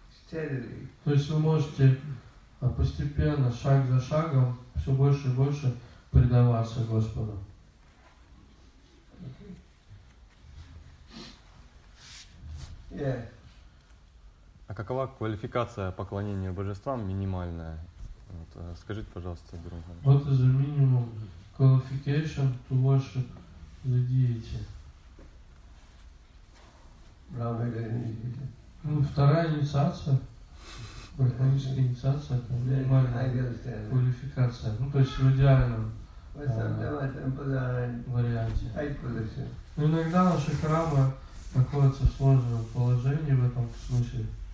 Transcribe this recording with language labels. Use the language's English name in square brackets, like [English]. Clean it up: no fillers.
[Russian] То есть вы можете постепенно, шаг за шагом, все больше и больше предаваться Господу. Yeah. А какова квалификация поклонения божествам минимальная? Вот, скажите, пожалуйста, Друган. [English] What is the minimum qualification to worship the deity? [Russian] Ну, вторая инициация. Практическая инициация, это минимальная квалификация. Ну, то есть в идеальном варианте. Но иногда наши храмы находятся в сложном положении в этом смысле.